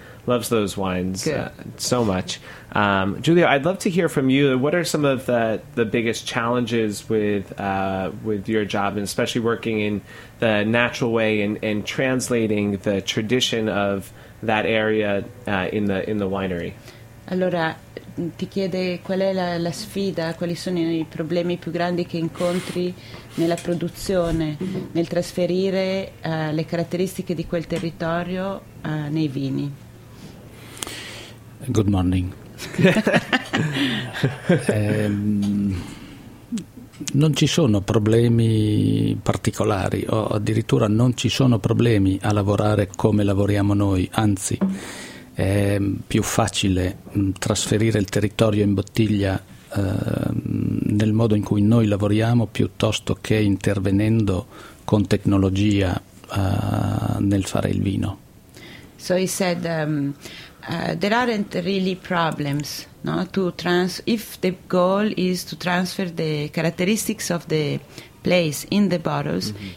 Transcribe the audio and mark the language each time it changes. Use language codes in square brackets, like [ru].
[en] loves those wines so much. Julio, I'd love to hear from you. What are some of the biggest challenges with your job, and especially working in the natural way and translating the tradition of that area in the winery? [it] Allora, ti chiede qual è la sfida, quali sono i problemi più grandi che incontri nella produzione, nel trasferire le caratteristiche di quel territorio nei vini. [en] Good morning. [it] Non ci sono problemi particolari, o addirittura non ci sono problemi a lavorare come lavoriamo noi, anzi è più facile trasferire il territorio in bottiglia nel modo in cui noi lavoriamo piuttosto che intervenendo con tecnologia nel fare il vino. [en] So he said there aren't really problems, no, to if the goal is to transfer the characteristics of the place in the bottles, mm-hmm.